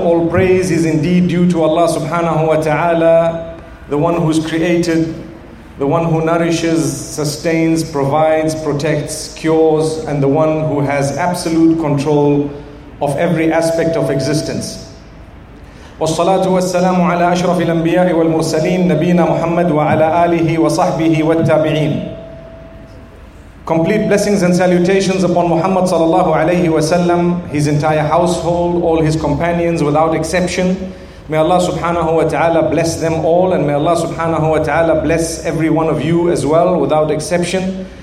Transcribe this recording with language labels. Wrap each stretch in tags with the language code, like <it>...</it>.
<en>All praise is indeed due to Allah subhanahu wa ta'ala, the one who's created, the one who nourishes, sustains, provides, protects, cures, and the one who has absolute control of every aspect of existence.</en> <ar>والصلاة والسلام على أشرف الأنبياء والمرسلين نبينا محمد وعلى آله وصحبه والتابعين.</ar> <en>Complete blessings and salutations upon Muhammad sallallahu alayhi wa sallam, his entire household, all his companions without exception. May Allah subhanahu wa ta'ala bless them all, and may Allah subhanahu wa ta'ala bless every one of you as well without exception.</en>